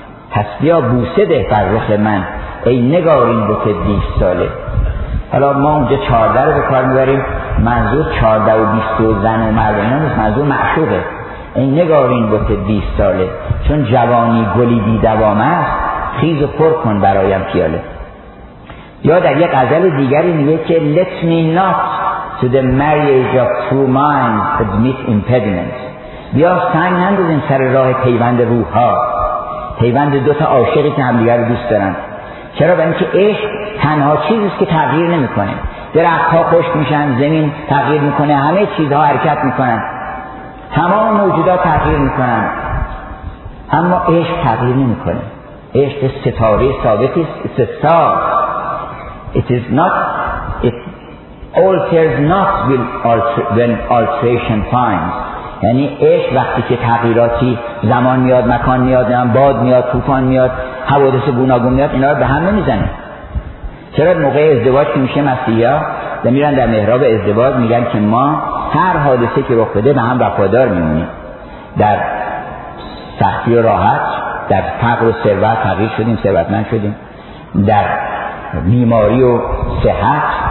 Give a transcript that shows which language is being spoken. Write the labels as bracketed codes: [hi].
[fa] پس بیا بوسه ده بر رخ من، ای نگارین بت 20 ساله. حالا ما اونجا 14 رو به کار میبریم، منظور 14 و 20 و زن و مرد اینا نیست، منظور معشوقه. ای نگارین بت 20 ساله، چون جوانی گلی بی دوام است، خیز و پر کن برایم پیاله. یا در یک غزل دیگری میگه که [en] let me not to the marriage of two minds admit impediments. [fa] بیا سنگ نندازیم سر راه پیوند روح ها، پیوند دوتا عاشقی که هم دیگر دوست دارن. چرا؟ به اینکه عشق تنها چیزیست که تغییر نمی کنه. درخت ها خشک میشن، زمین تغییر میکنه، همه چیزها حرکت میکنن، تمام موجودات تغییر میکنن، اما عشق تغییر نمی کنه. عشق ستاره ثابتیست. [en] It's a star. It is not, it alters not when alteration finds. [fa] یعنی عشق وقتی که تغییراتی، زمان میاد، مکان میاد، باد میاد، طوفان میاد، حوادث گوناگون میاد، اینا رو به هم نمیزنه. چرا موقع ازدواج که میشه مسیحا میرن در محراب ازدواج میگن که ما هر حادثه که رخ بده به هم وفادار میمونیم، در سختی و راحت، در فقر و ثروت تغییر شدیم، ثروتمند شدیم، در بیماری و صحت.